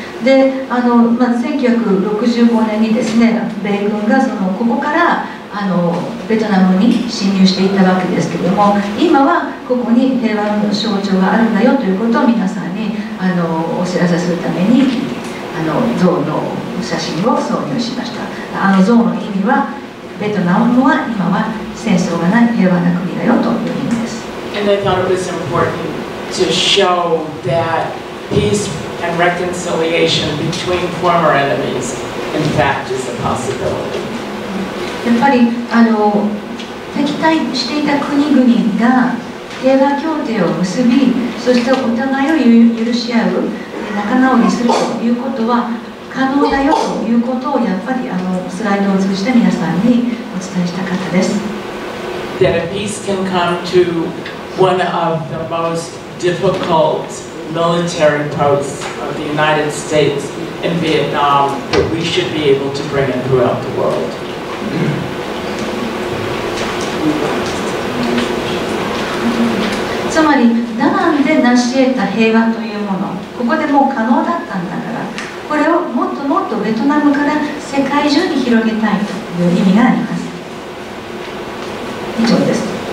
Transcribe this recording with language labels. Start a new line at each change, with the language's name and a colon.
Japanese: で、まあ、1965年にですね、米軍がそのここからベトナムに侵入していったわけですけれども、今はここに平和の象徴があるんだよということを皆さんにお知らせするために、像の写真を挿入しました。あの像の意味は、ベトナムは今は戦争がない平和な国だよという意味です。
English: And I thought it was important to show that peace and reconciliation between former enemies, in fact, is a possibility.
Japanese: やっぱり敵対していた国々が平和協定を結び、そしてお互いを許し合う、仲直りするということは可能だよということをやっぱりスライドを通じて皆さんにお伝えしたかったです。
English: That a peace can come to one of the most difficult military posts of the United States in Vietnam that we should be able to bring in throughout the world.
Japanese: つまり、ダナンで成し得た平和というもの、ここでもう可能だったんだから、これをもっともっとベトナムから世界中に広げたいという意味があります。以上です。